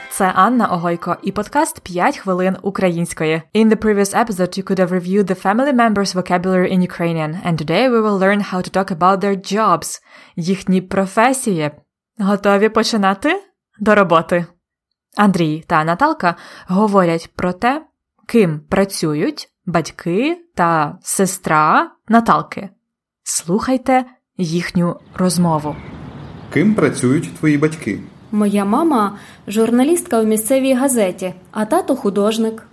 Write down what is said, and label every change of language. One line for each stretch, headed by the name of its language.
Ukrainian: Це Анна Огойко і подкаст «5 хвилин української».
English: In the previous episode, you could have reviewed the family members' vocabulary in Ukrainian, and today we will learn how to talk about their jobs,
Ukrainian: їхні професії. Готові починати? До роботи! Андрій та Наталка говорять про те, ким працюють батьки та сестра Наталки. Слухайте їхню розмову. Ким працюють твої батьки? Моя мама – журналістка в місцевій газеті, а тато – художник.